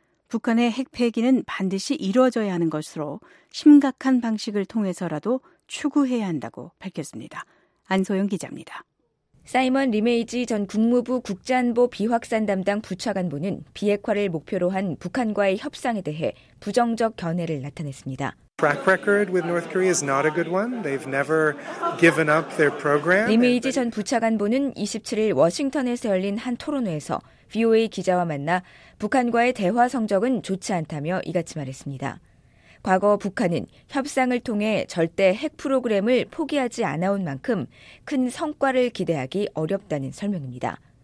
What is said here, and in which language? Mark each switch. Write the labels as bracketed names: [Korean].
[Korean] 북한의 핵 폐기는 반드시 이루어져야 하는 것으로 심각한 방식을 통해서라도 추구해야 한다고 밝혔습니다. 안소영 기자입니다. 사이먼 리메이지 전 국무부 국제안보 비확산 담당 부차관보는 비핵화를 목표로 한 북한과의 협상에 대해 부정적 견해를 나타냈습니다. [English] Track record with North Korea is not a good one. They've never given up their program. [Korean] 리메이지 전 부차관보는 27일 워싱턴에서 열린 한 토론회에서 VOA 기자와 만나 북한과의 대화 성적은 좋지 않다며 이같이 말했습니다. 과거 북한은 협상을 통해 절대 핵 프로그램을 포기하지 않아온 만큼 큰 성과를 기대하기 어렵다는 설명입니다.